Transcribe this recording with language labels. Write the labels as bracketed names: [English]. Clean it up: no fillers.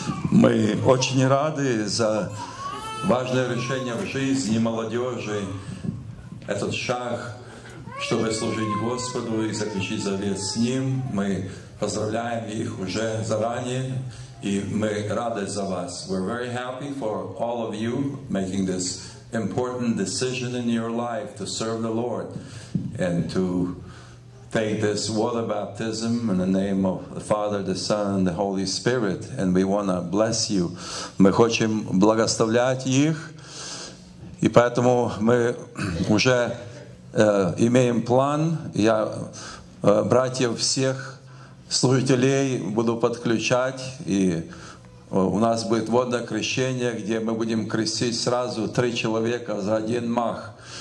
[Russian] Мы очень рады за важное решение в жизни молодежи. Этот шаг, чтобы служить Господу и заключить завет с Ним, мы поздравляем их уже заранее, и мы рады за вас. [English] We're very happy for all of you making this important decision in your life to serve the Lord and to take this water baptism in the name of the Father, the Son, and the Holy Spirit. And we want to bless you. [Russian] Мы хотим благословлять их. И поэтому мы уже имеем план. Я братьев всех служителей буду подключать. И у нас будет водное крещение, где мы будем крестить сразу 3 человека за один мах.